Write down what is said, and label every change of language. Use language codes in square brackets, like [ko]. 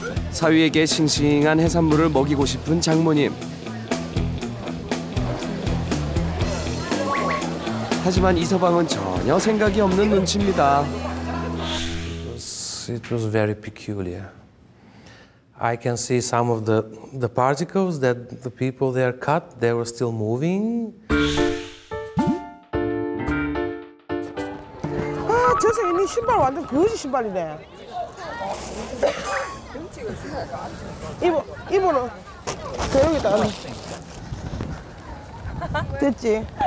[ko] 사위에게 싱싱한 해산물을 먹이고 싶은 장모님. 하지만 이 서방은 전혀 생각이 없는 눈치입니다. [en] It was very peculiar. I can see some of the particles that the people there cut, they were still moving. [ko] 아, 저 선생님 신발 완전 거지 신발이네. 이분은 저 여기다. 됐지?